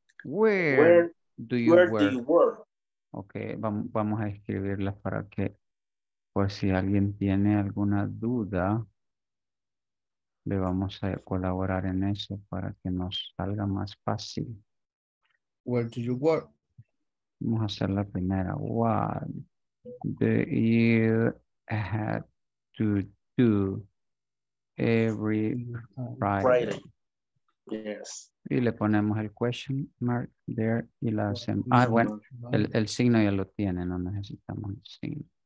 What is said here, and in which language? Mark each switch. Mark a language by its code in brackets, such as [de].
[es] Okay, vamos a escribirla para que, pues si alguien tiene alguna duda, le vamos a colaborar en eso para que nos salga más fácil. [en] Where do you work? [es] Vamos a hacer la primera. [en] What do you have to do every Friday? Yes. [es] Y le ponemos el [en] question mark there [es] y la hacemos. Ah, bueno, el signo ya lo tiene, no necesitamos el signo.